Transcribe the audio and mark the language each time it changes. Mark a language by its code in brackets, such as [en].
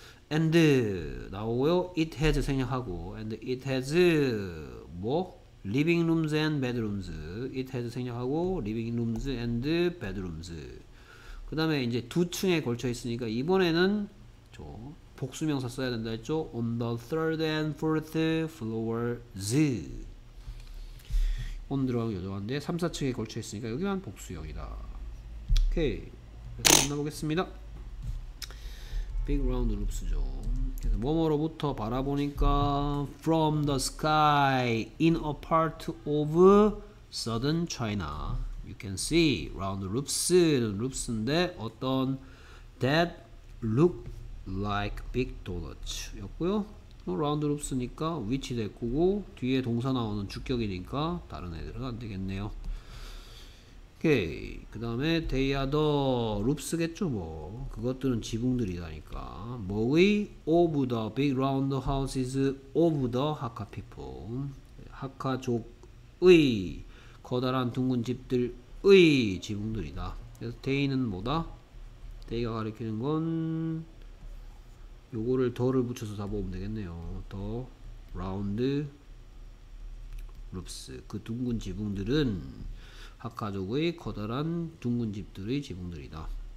[en] and [ko] 나오고요 [en] it has [ko] 생략하고 [en] and it has 뭐 living rooms and bedrooms. it has [ko] 생략하고 [en] living rooms and bedrooms. [ko] 그 다음에 이제 두 층에 걸쳐 있으니까 이번에는 저 복수명사 써야 된다 했죠. [en] on the third and fourth floors. [ko] 온 들어가고 여정한데 3, 4층에 걸쳐 있으니까 여기만 복수형이다. 오케이, 그래서 만나보겠습니다. [en] big round loops죠. [ko] 뭐뭐로부터 바라보니까 [en] from the sky in a part of southern China you can see round loops는 loops인데 어떤 that look like big donuts 였고요. [ko] 라운드 룹스니까 위치 될 거고 뒤에 동사 나오는 주격이니까 다른 애들은 안 되겠네요. 오케이. 그 다음에 [en] they are the roofs [ko] 겠죠 뭐. 그것들은 지붕들이라니까. [en] 뭐의 of the big round houses of the Hakka people. [ko] 하카족의 커다란 둥근 집들의 지붕들이다. 그래서 they는 뭐다? they가 가리키는 건 요거를 더를 붙여서 다 보면 되겠네요. 더 라운드 룹스 그 둥근 지붕들은 하카족의 커다란 둥근 집들의 지붕들이다.